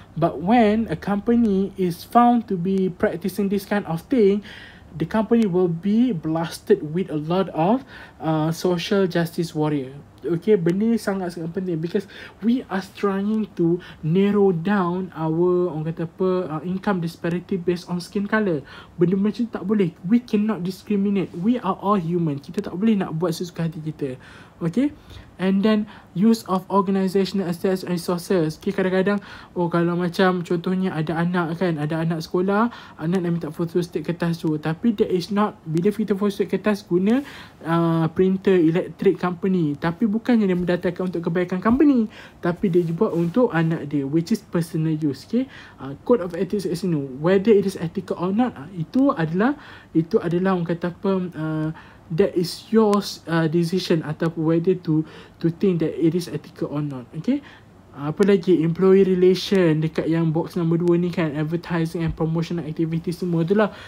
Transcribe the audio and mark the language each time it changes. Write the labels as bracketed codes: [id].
[en] But when a company is found to be practicing this kind of thing, the company will be blasted with a lot of social justice warrior. Okay, [ms] benda ni sangat-sangat penting [en] because we are trying to narrow down our, [ms] orang kata apa, [en] income disparity based on skin color. [ms] Benda macam tak boleh. [en] We cannot discriminate. We are all human. [ms] Kita tak boleh nak buat sesuka hati kita. [en] Okay? And then, use of organizational assets and resources. [ms] Okay, kadang-kadang, oh kalau macam contohnya ada anak kan, ada anak sekolah, anak nak minta photostat kertas tu. Tapi [en] that is not, [ms] bila kita photostat kertas guna printer electric company. Tapi bukannya dia mendatangkan untuk kebaikan company. Tapi dia buat untuk anak dia, [en] which is personal use. Okay, code of ethics is no. Whether it is ethical or not, [ms] itu adalah orang kata apa, [en] that is your decision [ms] ataupun [en] whether to think that it is ethical or not. Okay, [ms] apa lagi, [en] employee relation [ms] dekat yang box nombor 2 ni kan, [en] advertising and promotional activities [ms] semua tu lah.